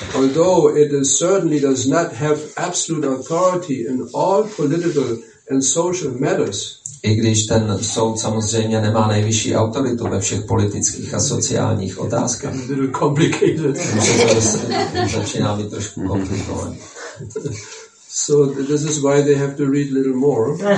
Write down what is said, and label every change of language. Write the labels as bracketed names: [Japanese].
[English] Although it certainly does not have absolute authority in all political and social matters. [Czech] I když ten soud samozřejmě nemá nejvyšší autoritu ve všech politických a sociálních otázkách. [English] A little complicated. [Czech] Začíná být trošku komplikovaný. [English] So this is why they have to read a little more.